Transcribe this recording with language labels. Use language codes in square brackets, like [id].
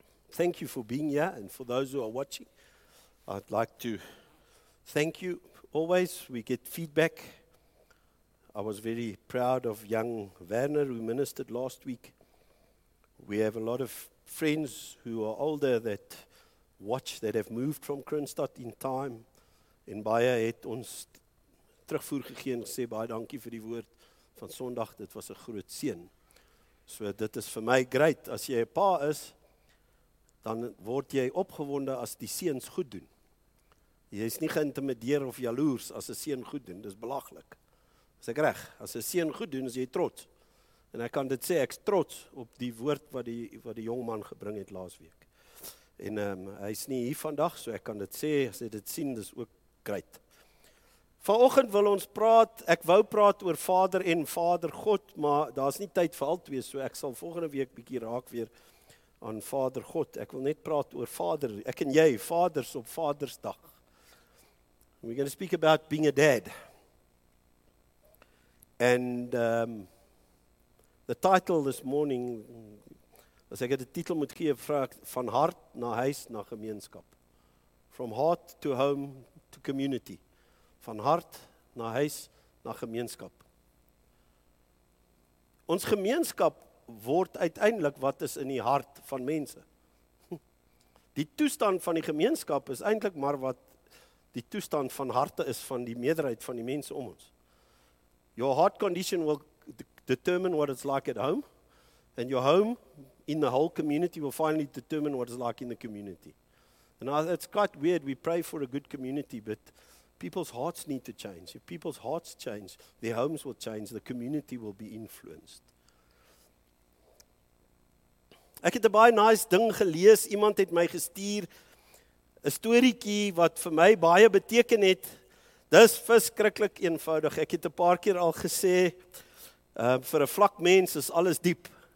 [en] Thank you for being here, and for those who are watching, I'd like to thank you. Always, we get feedback. I was very proud of young Werner, who ministered last week. We have a lot of friends who are older that watch, that have moved from Kroonstad in time. [af] En baie het ons terugvoer gegee en gesê, baie dankie vir die woord van Sondag, dit was 'n groot seën. So dit is vir my great, as jy 'n pa is, dan word jy opgewonde as die seuns goed doen. Jy is nie geïntimideer of jaloers as 'n seun goed doen, dis belaglik. Is ek reg? As 'n seun goed doen, is jy trots. En ek kan dit sê, ek is trots op die woord wat die jongman gebring het laas week. En hy is nie hier vandag, so ek kan dit sê, as jy dit sien, dis ook great. Vanoggend wil ons praat, ek wou praat oor Vader en Vader God, maar daar is nie tyd vir al twee, so ek sal volgende week bietjie raak weer aan Vader God. Ek wil net praat oor Vader, ek en jy, Vaders op Vadersdag. [en] We're going to speak about being a dad. And the title this morning, [af] as ek het die titel moet gee, vraag, van hart na huis na gemeenskap. [en] From heart to home to community. [af] Van hart na huis na gemeenskap. Ons gemeenskap word uiteindelik wat is in die hart van mense. Die toestand van die gemeenskap is eintlik maar wat die toestand van harte is van die meerderheid van die mense om ons. [en] Your heart condition will determine what it's like at home, and your home in the whole community will finally determine what it's like in the community. And it's quite weird, we pray for a good community, but people's hearts need to change. If people's hearts change, their homes will change, the community will be influenced. [af] Ek het 'n baie nice ding gelees, iemand het my gestuur, 'n storiekie wat vir my baie beteken het. Dis verskriklik eenvoudig. Ek het 'n paar keer al gesê, vir 'n vlak mens is alles diep.